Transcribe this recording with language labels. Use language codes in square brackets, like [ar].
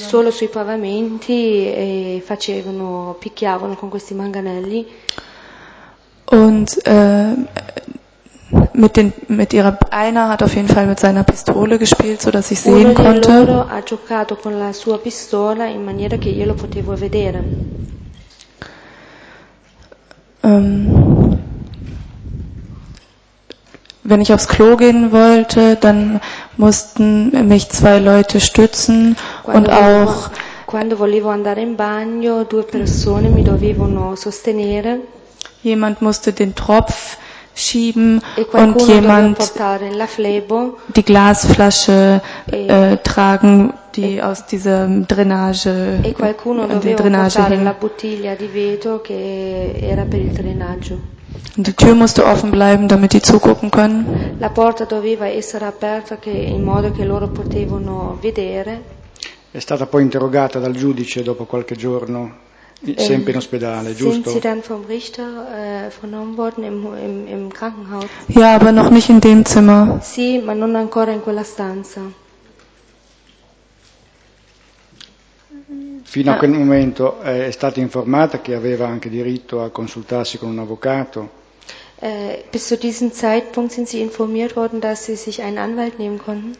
[it] solo sui pavamenti e facevano, picchiavano con questi manganelli. [de] Und einer hat auf jeden Fall mit seiner Pistole gespielt, so dass ich sehen konnte. [it] Uno di loro ha giocato con la sua pistola in maniera che io lo potevo vedere. [de] Wenn ich aufs Klo gehen wollte, dann mussten mich zwei Leute stützen [it] quando volevo andare in bagno, due persone mi dovevano sostenere. [de] Jemand musste den Tropf schieben und jemand [it] la flebo, [de] die Glasflasche tragen, die aus dieser Drainage [it] e qualcuno doveva Drainage portare hin. La bottiglia di vetro che era per il drenaggio. [de] Die Tür musste offen bleiben, damit die zugucken können. [it] La porta doveva essere aperta che in modo che loro potevano vedere. È stata poi interrogata dal giudice dopo qualche giorno. Sempre in ospedale, giusto? [de] Sind sie dann vom Richter vernommen worden im Krankenhaus? Ja, aber noch nicht in dem Zimmer. [it] Sì, ma non ancora in quella stanza. Fino a quel momento è stata informata che aveva anche diritto a consultarsi con un avvocato. [de] Bis zu diesem Zeitpunkt sind sie informiert worden, dass sie sich einen Anwalt nehmen konnten?